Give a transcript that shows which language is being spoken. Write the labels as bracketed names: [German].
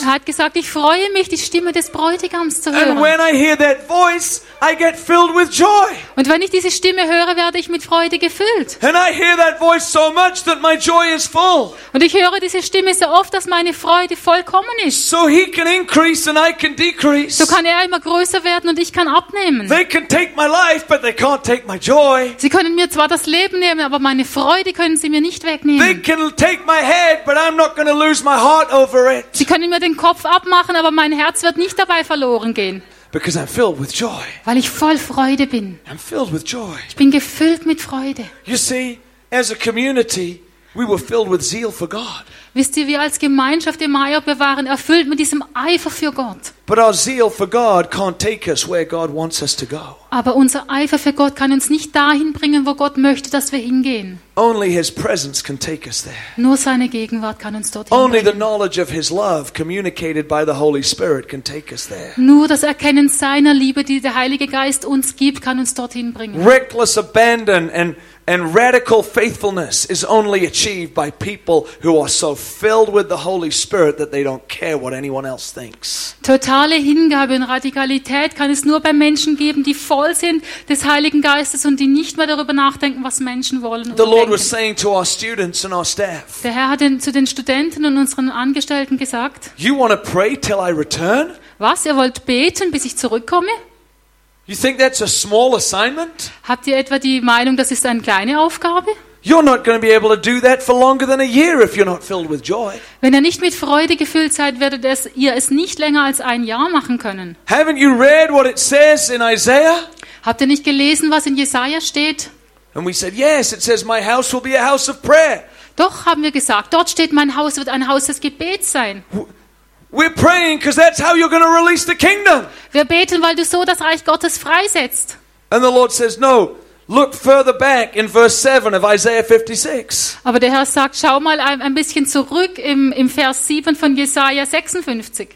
[German] Er hat gesagt, ich freue mich, die Stimme des Bräutigams zu hören. [English] And when I hear that voice, I get filled with joy. [German] Und wenn ich diese Stimme höre, werde ich mit Freude gefüllt. [English] And I hear that voice so much that my joy is full. [German] Und ich höre diese Stimme so oft, dass meine Freude vollkommen ist. [English] So he can increase and I can decrease. [German] So kann er immer größer werden und ich kann abnehmen. [English] They can take my life, but they can't take my joy. [German] Sie können mir zwar das Leben nehmen, aber meine Freude können sie mir nicht wegnehmen. [English] They can take my head, but I'm not going to lose my heart over it. [German] Sie können mir den Kopf abmachen, aber mein Herz wird nicht dabei verloren gehen. [English] Because I'm filled with joy. [German] Weil ich voll Freude bin. [English] I'm filled with joy. [German] Ich bin gefüllt mit Freude. [English] You see, as a community, we were filled with zeal for God. [German] Wisst ihr, wir als Gemeinschaft im Maiob, wir waren erfüllt mit diesem Eifer für Gott. [English] But our zeal for God can't take us where God wants us to go. [German] Aber unser Eifer für Gott kann uns nicht dahin bringen, wo Gott möchte, dass wir hingehen. [English] Only his presence can take us there. [German] Nur seine Gegenwart kann uns dorthin [English] Only [German] bringen. [English] The knowledge of his love communicated by the Holy Spirit can take us there. [German] Nur das Erkennen seiner Liebe, die der Heilige Geist uns gibt, kann uns dorthin bringen. [English] Reckless abandon and radical faithfulness is only achieved by people who are so filled with the Holy Spirit that they don't care what anyone else thinks. [German] Totale Hingabe und Radikalität kann es nur bei Menschen geben, die voll sind des Heiligen Geistes und die nicht mehr darüber nachdenken, was Menschen wollen oder denken. [English] The Lord was saying to our students and our staff. [German] Der Herr hat zu den Studenten und unseren Angestellten gesagt. [English] You want to pray till I return? [German] Was, ihr wollt beten, bis ich zurückkomme? [English] You think that's a small assignment? [German] Habt ihr etwa die Meinung, das ist eine kleine Aufgabe? [English] You're not going to be able to do that for longer than a year if you're not filled with joy. [German] Wenn ihr nicht mit Freude gefüllt seid, werdet ihr es nicht länger als ein Jahr machen können. [English] Haven't you read what it says in Isaiah? [German] Habt ihr nicht gelesen, was in Jesaja steht? [English] And we said, yes, it says my house will be a house of prayer. [German] Doch, haben wir gesagt, dort steht, mein Haus wird ein Haus des Gebets sein. [English] We're praying because that's how you're going to release the kingdom. [German] Wir beten, weil du so das Reich Gottes freisetzt. [English] And the Lord says, no. Look further back in verse 7 of Isaiah 56. [German] Aber der Herr sagt, schau mal ein bisschen zurück im Vers 7 von Jesaja 56.